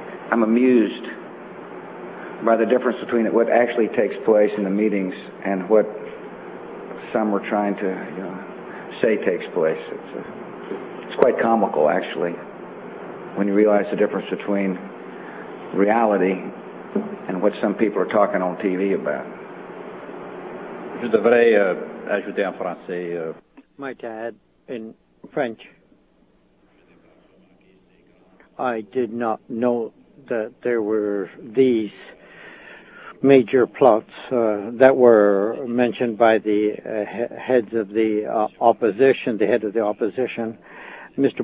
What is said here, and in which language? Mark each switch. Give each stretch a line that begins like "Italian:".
English: I'm amused by the difference between what actually takes place in the meetings and what some are trying to, you know, say takes place. It's quite comical, actually, when you realize the difference between reality and what some people are talking on TV about.
French: Je devrais ajouter en français.
English: Might I add in French? I did not know that there were these major plots that were mentioned by the heads of the opposition, the head of the opposition, Mr.